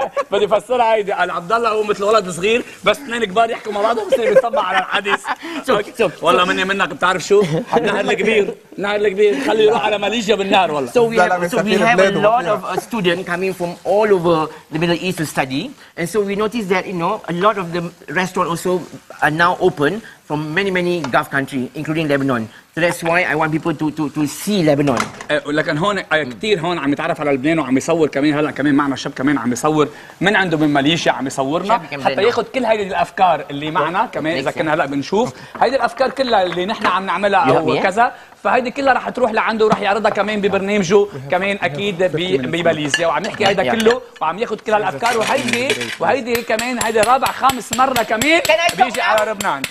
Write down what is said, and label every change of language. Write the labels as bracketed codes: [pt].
[ar] بدي فسرها هيدي قال عبد الله هو مثل ولد صغير بس اثنين كبار يحكوا مع بعضهم بصير يتطبع على الحديث والله مني منك بتعرف شو النهر الكبير النهر الكبير خليه يروح على ماليزيا بالنهر والله [en] so we have a lot of students coming from all over the Middle East to study and so we notice that you know a lot of the restaurants also are now open from many Gulf countries including Lebanon. So that's why I want people to see Lebanon. [ar] لكن هون كثير هون عم يتعرف على لبنان وعم يصور كمان هلا كمان معنا شاب كمان عم يصور من عنده من ماليزيا عم يصورنا حتى ياخذ كل هيدي الافكار اللي معنا كمان اذا كنا هلا بنشوف هيدي الافكار كلها اللي نحن عم نعملها او كذا فهيدي كلها رح تروح لعنده ورح يعرضها كمان ببرنامجه كمان اكيد بماليزيا وعم يحكي هيدا كله وعم ياخذ كل هالافكار وهيدي كمان هيدي رابع خامس مره كمان بيجي على لبنان